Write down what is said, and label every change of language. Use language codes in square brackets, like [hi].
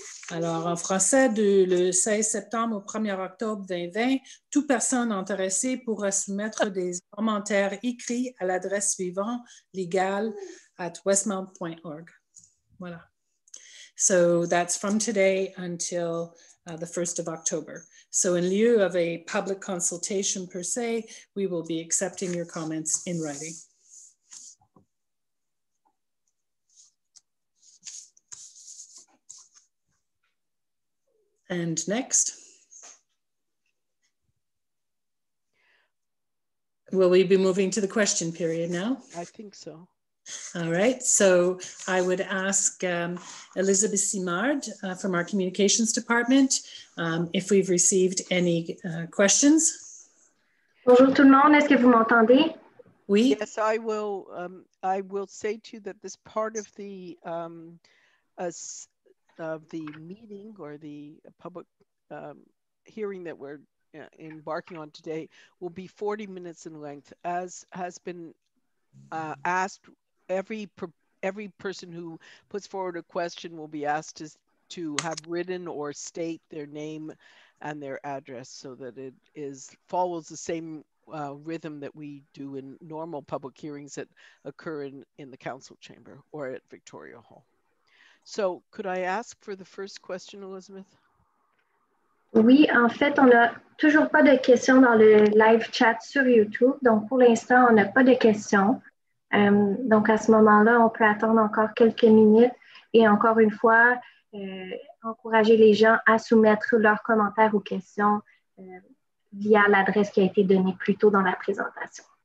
[fr] Alors, en français, le 16 septembre au 1er octobre 2020, toute personne intéressée pourra soumettre des commentaires écrits à l'adresse suivante, legal@westmount.org. Voilà. [en] So that's from today until the 1st of October. So in lieu of a public consultation per se, we will be accepting your comments in writing. And next, will we be moving to the question period now? I think so. All right, so I would ask Elizabeth Simard from our communications department if we've received any questions. [fr] Bonjour tout le monde, est-ce que vous m'entendez? Oui. [en] Yes, I will. I will say to you that this part of the of the meeting or the public hearing that we're embarking on today will be 40 minutes in length, as has been asked. Every person who puts forward a question will be asked to have written or state their name and their address, so that it is follows the same rhythm that we do in normal public hearings that occur in the council chamber or at Victoria Hall. So could I ask for the first question, Elizabeth? [fr] Oui, en fait, on n'a toujours pas de questions dans le live chat sur YouTube. Donc, pour l'instant, on n'a pas de questions. Donc, à ce moment-là, on peut attendre encore quelques minutes et encore une fois, encourager les gens à soumettre leurs commentaires ou questions via l'adresse qui a été donnée plus tôt dans la présentation.